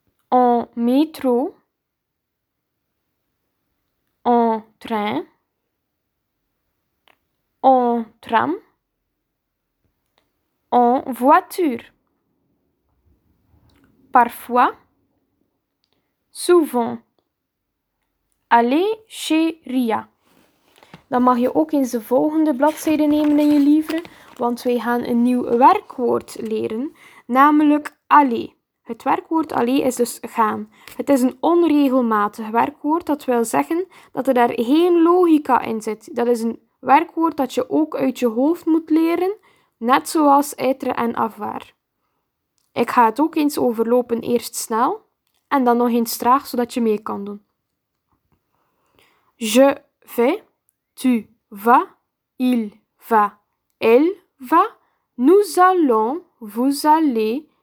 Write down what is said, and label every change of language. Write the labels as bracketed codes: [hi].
[fr] En métro, en train, en tram, en voiture, parfois, souvent, aller chez Ria. [nl] Dan mag je ook eens de volgende bladzijde nemen in je livre, want wij gaan een nieuw werkwoord leren, namelijk aller. Het werkwoord aller is dus gaan. Het is een onregelmatig werkwoord, dat wil zeggen dat er daar geen logica in zit. Dat is een werkwoord dat je ook uit je hoofd moet leren, net zoals être en avoir. Ik ga het ook eens overlopen, eerst snel en dan nog eens traag, zodat je mee kan doen. [fr] Je vais, tu vas, il va, elle va, nous allons, vous allez.